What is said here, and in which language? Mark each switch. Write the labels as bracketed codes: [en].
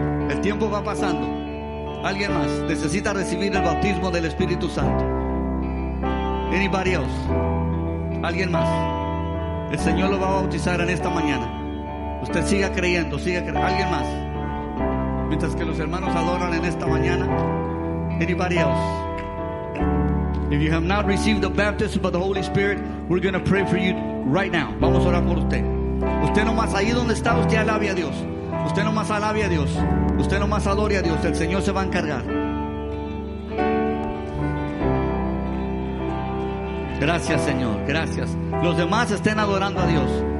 [es] El tiempo va pasando. ¿Alguien más? Necesita recibir el bautismo del Espíritu Santo. [en] Anybody else? [es] ¿Alguien más? El Señor lo va a bautizar en esta mañana. Usted siga creyendo, siga creyendo. ¿Alguien más? Mientras que los hermanos adoran en esta mañana. [en] Anybody else? If you have not received the baptism of the Holy Spirit, we're going to pray for you right now. [es] Vamos a orar por usted. Usted nomás ahí donde está, usted alabe a Dios. Usted nomás alabe a Dios. Usted nomás adore a Dios. El Señor se va a encargar. Gracias, Señor. Gracias. Los demás estén adorando a Dios.